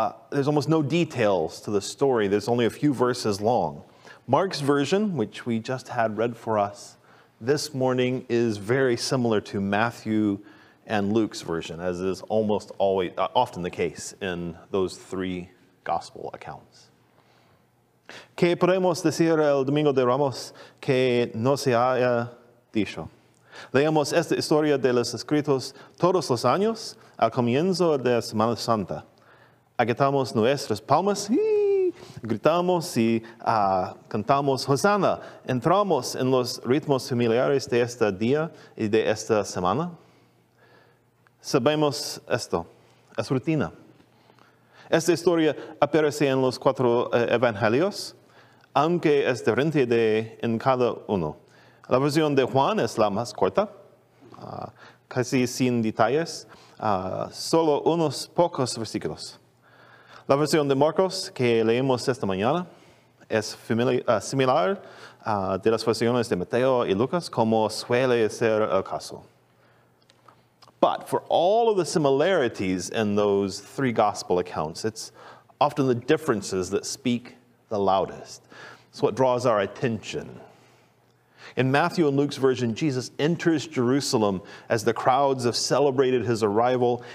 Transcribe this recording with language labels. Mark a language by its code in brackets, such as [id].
[en] There's almost no details to the story. There's only a few verses long. Mark's version, which we just had read for us this morning, is very similar to Matthew and Luke's version, as is almost always, often the case in those three Gospel accounts. [es] ¿Qué podemos decir el Domingo de Ramos que no se haya dicho? Leemos esta historia de los escritos todos los años al comienzo de la Semana Santa. Agitamos nuestras palmas, gritamos y cantamos Hosanna. Entramos en los ritmos familiares de este día y de esta semana. Sabemos esto, es rutina. Esta historia aparece en los cuatro evangelios, aunque es diferente en cada uno. La versión de Juan es la más corta, casi sin detalles, solo unos pocos versículos. La versión de Marcos, que leímos esta mañana, es similar de las versiones de Mateo y Lucas, como suele ser el caso. [en] But for all of the similarities in those three gospel accounts, it's often the differences that speak the loudest. It's what draws our attention. In Matthew and Luke's version, Jesus enters Jerusalem as the crowds have celebrated his arrival.